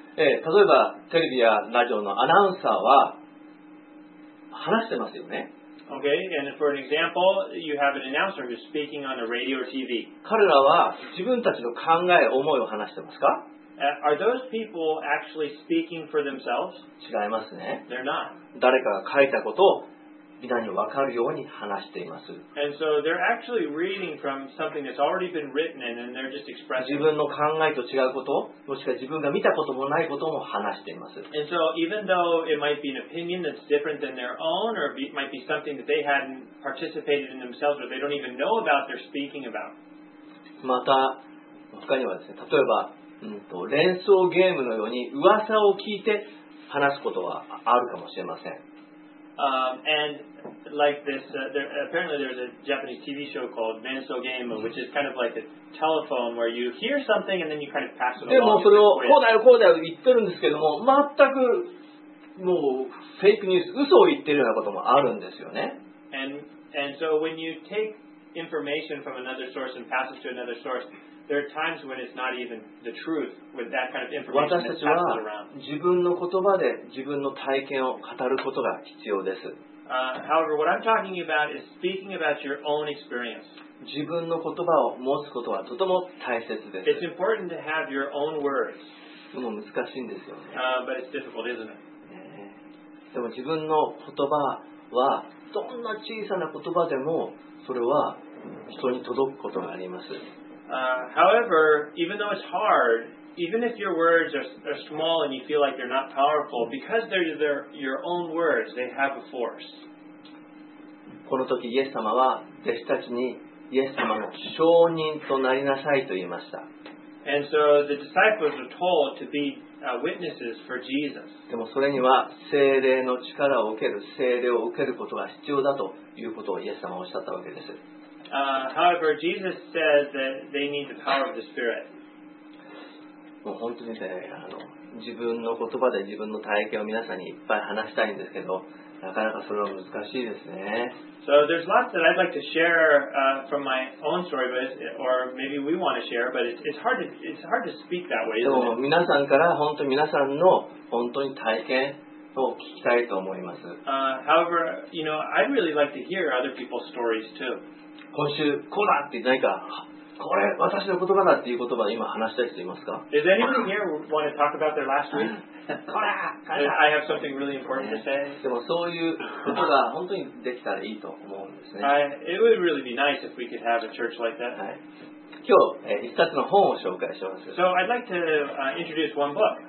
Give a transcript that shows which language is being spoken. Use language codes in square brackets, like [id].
[ja] 例えばテレビやラジオのアナウンサーは話してますよね。 [en] Okay, and for an example, you have an announcer who's speaking on a radio or TV. [ja] 彼らは自分たちの考え、思いを話してますか？ [en] Are those people actually speaking for themselves? [ja] 違いますね。 [en] They're not. [ja] 誰かが書いたことを皆に分かるように話しています。 [en] And so they're actually reading from something that's already been written and then they're just expressing. [ja] 自分の考えと違うこと、もしくは自分が見たこともないことも話しています。 [en] And so even though it might be an opinion that's different than their own or it might be something that they hadn't participated in themselves or they don't even know about, they're speaking about. [ja] また、他にはですね、例えば、連想ゲームのように噂を聞いて話すことはあるかもしれません。 [en] And like this, apparently there's a Japanese TV show called 連想ゲーム、which is kind of like a telephone where you hear something and then you kind of pass it along. [ja] でもそれをこうだよこうだよ言ってるんですけども、全くもうフェイクニュース、嘘を言ってるようなこともあるんですよね。 [en] And so when you take information from another source and pass it to another source,There are times when it's not even the truth with that kind of information that's passed around. [ja] 私たちは自分の言葉で自分の体験を語ることが必要です。 [en] However, what I'm talking about is speaking about your own experience. [ja] 自分の言葉を持つことはとても大切です。 [en] It's important to have your own words. [ja] でも難しいんですよね。 [en] But it's difficult, isn't it? [ja] でも自分の言葉はどんな小さな言葉でもそれは人に届くことがあります。 [en] However, even though it's hard, even if your words are small and you feel like they're not powerful, because they're your own words, they have a force. [ja] この時イエス様は弟子たちにイエス様の証人となりなさいと言いました。 [en] And so the disciples were told to be witnesses for Jesus. [ja] でもそれには聖霊の力を受ける、聖霊を受けることが必要だということをイエス様はおっしゃったわけです。 [en] However, Jesus says that they need the power of the Spirit. [ja] もう本当にね、自分の言葉で自分の体験を皆さんにいっぱい話したいんですけど、なかなかそれは難しいですね。 [en] So there's lots that I'd like to share from my own story, but or maybe we want to share, but it's hard to speak that way. [ja] でも皆さんから本当に皆さんの本当に体験を聞きたいと思います。 [en] However, you know, I'd really like to hear other people's stories too. [ja] 今週こうだって何かこれ私の言葉だっていう言葉を今話したい人いますか？ [en] Does anyone here want to talk about their last week? [ja] こら、 [en] I have something really important to say. [ja] でもそういうことが本当にできたらいいと思うんですね。 [en] It would really be nice if we could have a church like that. [ja] 今日一冊の本を紹介します。 [en] So I'd like to introduce one book.